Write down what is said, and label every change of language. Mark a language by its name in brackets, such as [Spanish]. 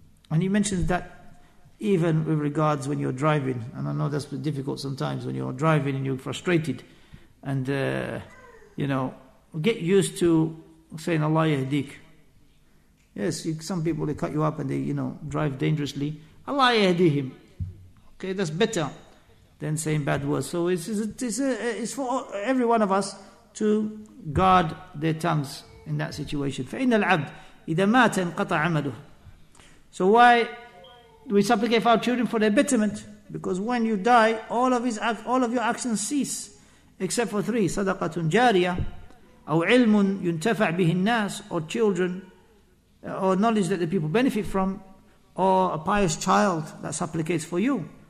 [English] And he mentions that even with regards when you're driving, and I know that's difficult sometimes when you're driving and you're frustrated, and you know, get used to saying [Arabic] Allah yahdik. [English] Yes, some people they cut you up and they, you know, drive dangerously. [Arabic] Allah yahdihim. [English] Okay, that's better than saying bad words. So it's for every one of us to guard their tongues in that situation. [Arabic] فإن العبد إذا مات انقطع عمله. [English] So why we supplicate for our children? For their betterment. Because when you die, all of your actions cease, except for three: [Arabic] sadaqatun jariyah, aw ilmun yuntafa' bihi an-nas, [English] or children, or knowledge that the people benefit from, or a pious child that supplicates for you.